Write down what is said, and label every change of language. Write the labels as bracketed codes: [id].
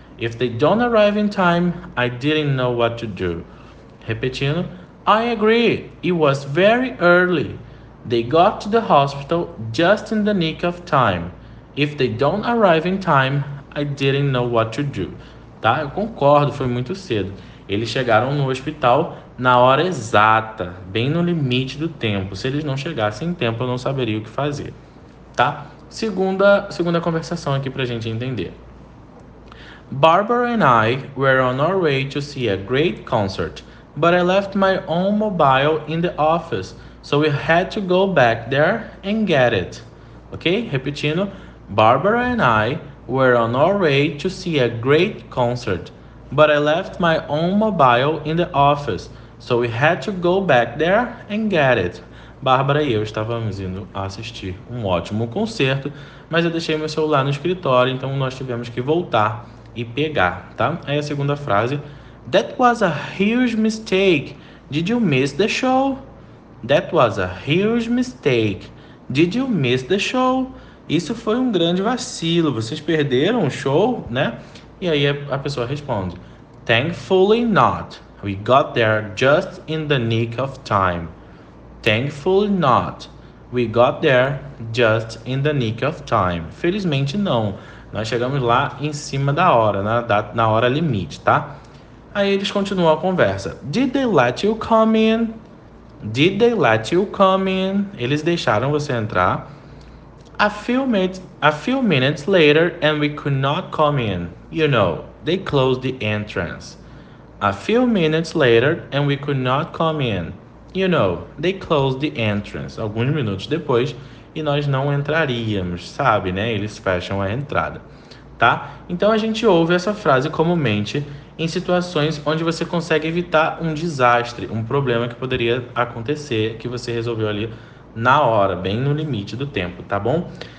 [en] If they don't arrive in time, I didn't know what to do. Repetindo. I agree. It was very early. They got to the hospital just in the nick of time. If they don't arrive in time, I didn't know what to do. [pt] Tá? Eu concordo, foi muito cedo. Eles chegaram no hospital na hora exata, bem no limite do tempo. Se eles não chegassem em tempo, eu não saberia o que fazer. Tá? Segunda conversação aqui pra gente entender. [en] Barbara and I were on our way to see a great concert, but I left my own mobile in the office. So we had to go back there and get it. Ok? Repetindo. Barbara and I were on our way to see a great concert, but I left my own mobile in the office. So we had to go back there and get it. [pt] Bárbara e eu estávamos indo assistir um ótimo concerto, mas eu deixei meu celular no escritório, então nós tivemos que voltar e pegar, tá? [en] Aí a segunda frase. That was a huge mistake. Did you miss the show? That was a huge mistake. Did you miss the show? Isso foi um grande vacilo. [pt] Vocês perderam o show, né? E aí a pessoa responde: Thankfully not. [en] We got there just in the nick of time. Thankfully not. We got there just in the nick of time. [pt] Felizmente não. Nós chegamos lá em cima da hora, na hora limite, tá? [en] Aí eles continuam a conversa. Did they let you come in? Did they let you come in? Eles deixaram você entrar. A few minutes later and we could not come in. You know, they closed the entrance. A few minutes later and we could not come in. You know, they closed the entrance. [pt] Alguns minutos depois e nós não entraríamos, sabe, né? Eles fecham a entrada, tá? Então a gente ouve essa frase comumente em situações onde você consegue evitar um desastre, um problema que poderia acontecer, que você resolveu ali na hora, bem no limite do tempo, tá bom?